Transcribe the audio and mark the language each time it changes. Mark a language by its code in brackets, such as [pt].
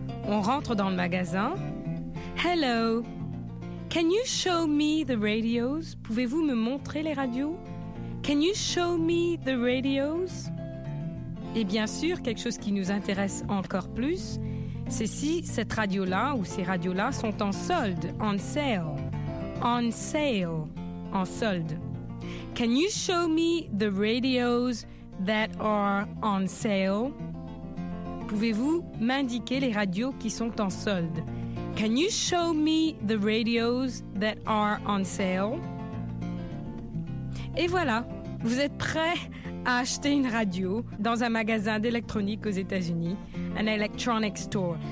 [fr] On rentre dans le magasin. [en] Hello, can you show me the radios? [fr] Pouvez-vous me montrer les radios? [en] Can you show me the radios? [fr] Et bien sûr, quelque chose qui nous intéresse encore plus, c'est si cette radio-là ou ces radios-là sont en solde, on sale. On sale, en solde. [en] Can you show me the radios that are on sale? [fr] Pouvez-vous m'indiquer les radios qui sont en solde? [en] Can you show me the radios that are on sale? [fr] Et voilà, vous êtes prêt à acheter une radio dans un magasin d'électronique aux États-Unis, [en] an electronic store.